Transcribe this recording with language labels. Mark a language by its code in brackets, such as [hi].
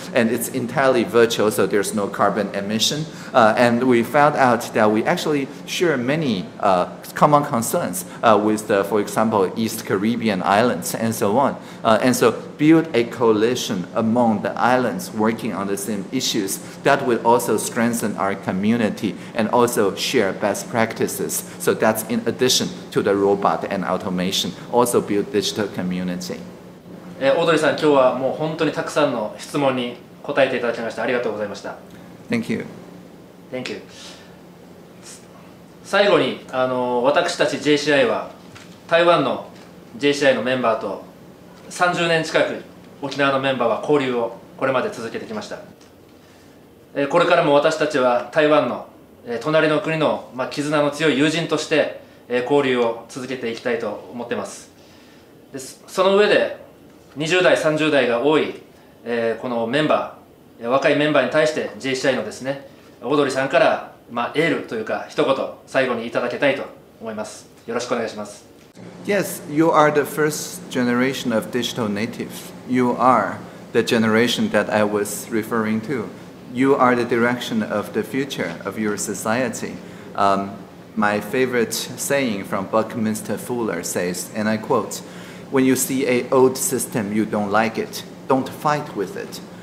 [en] And it's entirely virtual, so there's no carbon emission. And we found out that we actually share many common concerns with, the, for example, East Caribbean islands and so on. And so build a coalition among the islands working on the same issues. That would also strengthen our community and also share best practices. So that's in addition to the robot and automation. Also build digital community. [ja] Audrey さん、今日はもう本当にたくさんの質問に答えていただきました。ありがとうございました。 [en] Thank you. Thank you. [ja] 最後に私たち JCI は台湾の JCI のメンバーと30年近く沖縄のメンバーは交流をこれまで続けてきました。これからも私たちは台湾の隣の国の、まあ、絆の強い友人として交流を続けていきたいと思ってます。でその上で20代30代が多いこのメンバー若いメンバーに対して JCI のですねオードリーさんからまあ、エールというか一言最後にいただけたいと思います。よろしくお願いします。 [en] Yes, you are the first generation of digital natives. You are the generation that I was referring to. You are the direction of the future of your society. My favorite saying from Buckminster Fuller says, and I quote, "When you see an old system you don't like it, don't fight with it.